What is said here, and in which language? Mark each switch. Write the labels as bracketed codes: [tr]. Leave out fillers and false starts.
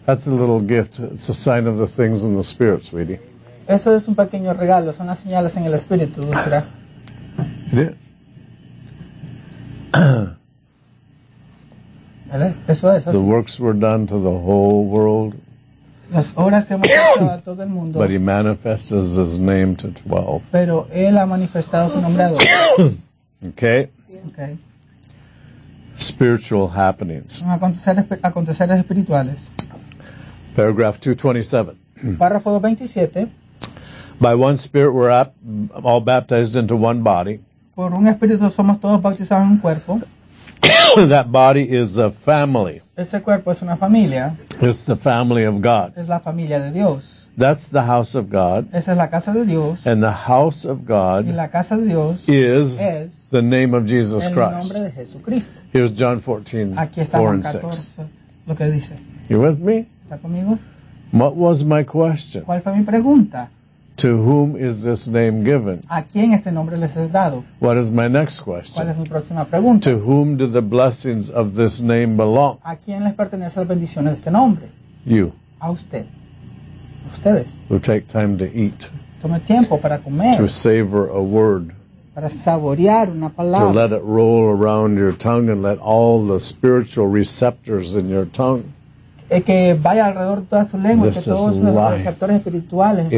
[en] That's a little gift. It's a sign of the things in the spirit, sweetie. [es] Eso es un pequeño regalo. Son las señales en el espíritu, ¿verdad? [en] It is. [es] Eso es. [en] The works were done to the whole world. [es] Las obras que hemos hecho a todo el mundo. [en] But he manifests his name to 12. [es] Pero él ha manifestado su nombre a 12. [en] Okay. Yeah. Okay. Spiritual happenings. [es] Aconteceres espirituales. [en] Paragraph 227. [es] Párrafo 227. [en] By one spirit we're all baptized into one body. [es] Por un espíritu somos todos bautizados en un cuerpo. [en] That body is a family. [es] Ese cuerpo es una familia. [en] It's the family of God. [es] Es la familia de Dios. [en] That's the house of God. [es] Esa es la casa de Dios. [en] And the house of God [es] y la casa de Dios [en] is the name of Jesus [es] el [en] Christ. [es] Nombre de Jesucristo. [en] Here's John 14, [es] aquí está 4 Juan [en] and 14, 6. [es] Lo que dice. [en] You with me? [es] ¿Está conmigo? [en] What was my question? [es] ¿Cuál fue mi pregunta? [en] To whom is this name given? [es] ¿A quién este nombre les es dado? [en] What is my next question? [es] ¿Cuál es mi próxima pregunta? [en] To whom do the blessings of this name belong? [es] ¿A quién les pertenece las bendiciones de este nombre? [en] You. [es] A usted. Ustedes. [en] Who take time to eat. [es] Tome tiempo para comer. [en] To savor a word. [es] Para saborear una palabra. [en] To let it roll around your tongue and let all the spiritual receptors in your tongue. [es] Que vaya alrededor de todas sus lenguas, que todos sus receptores espirituales.